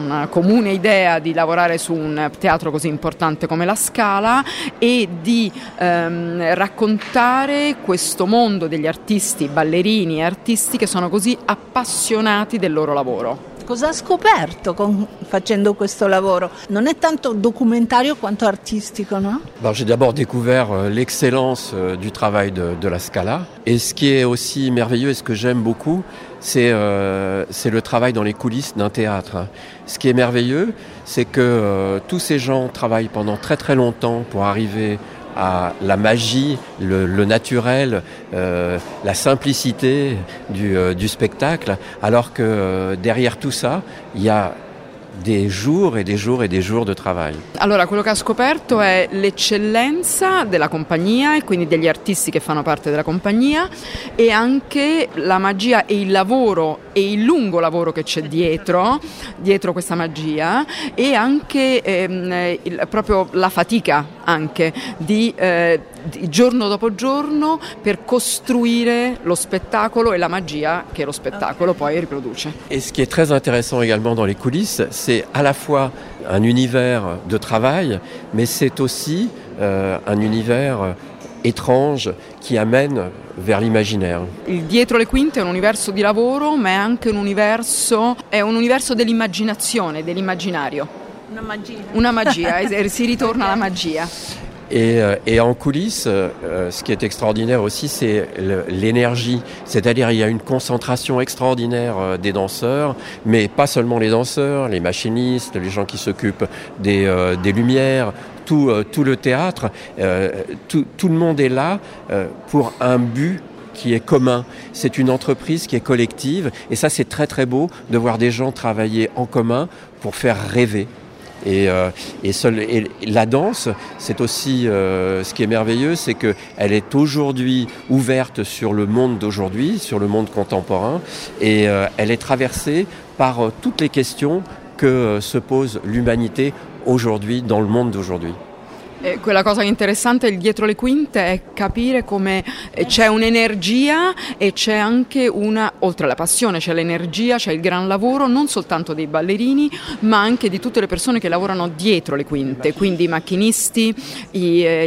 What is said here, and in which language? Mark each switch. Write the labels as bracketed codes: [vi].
[it] comune idea di lavorare su un teatro così importante come la Scala e di raccontare questo mondo degli artisti, ballerini e artisti che sono così appassionati del loro lavoro. Cosa ha scoperto facendo questo lavoro? Non è tanto documentario quanto artistico, no? [fr] Bon, j'ai d'abord découvert l'excellence du travail de la Scala. Et ce qui est aussi merveilleux et ce que j'aime beaucoup, c'est le travail dans les coulisses d'un théâtre. Ce qui est merveilleux, c'est que tous ces gens travaillent pendant très très longtemps pour arriver à la magie, le naturel, la simplicité du spectacle, alors que derrière tout ça, il y a des jours et des jours et des jours de travail. [it] Allora, quello che ha scoperto è l'eccellenza della compagnia e quindi degli artisti che fanno parte della compagnia e anche la magia e il lavoro e il lungo lavoro che c'è dietro questa magia e anche proprio la fatica anche di giorno dopo giorno per costruire lo spettacolo e la magia che lo spettacolo poi riproduce. [fr] Et ce qui est très intéressant également dans les coulisses, c'est à la fois un univers de travail, mais c'est aussi un univers étrange qui amène vers l'imaginaire. [it] Il dietro le quinte è un universo di lavoro, ma è anche un universo dell'immaginazione, dell'immaginario. Una magia, si ritorna alla magia. [fr] Et en coulisses, ce qui est extraordinaire aussi, c'est l'énergie. C'est-à-dire il y a une concentration extraordinaire des danseurs, mais pas seulement les danseurs, les machinistes, les gens qui s'occupent des lumières, tout le théâtre. Tout le monde est là pour un but qui est commun. C'est une entreprise qui est collective. Et ça, c'est très, très beau de voir des gens travailler en commun pour faire rêver. Et la danse, c'est aussi ce qui est merveilleux, c'est qu'elle est aujourd'hui ouverte sur le monde d'aujourd'hui, sur le monde contemporain, et elle est traversée par toutes les questions que se pose l'humanité aujourd'hui, dans le monde d'aujourd'hui. [it] Quella cosa interessante dietro le quinte è capire come c'è un'energia e c'è anche una, oltre alla passione, c'è l'energia, c'è il gran lavoro, non soltanto dei ballerini, ma anche di tutte le persone che lavorano dietro le quinte, quindi i macchinisti, gli